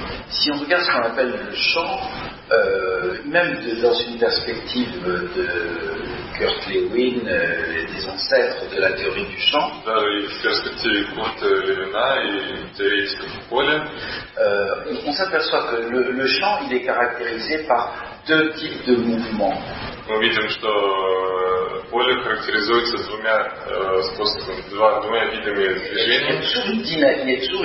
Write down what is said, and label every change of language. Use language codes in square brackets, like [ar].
[fr] Si on regarde ce qu'on appelle le champ, même dans une perspective de Kurt Lewin, des ancêtres de la théorie du champ. [ru] Да, и в перспективе Курта Левина и теоретиков поля. [fr] On s'aperçoit que le champ, il est caractérisé par deux types de mouvements. [ru] Мы видим, что поле характеризуется двумя видами движения.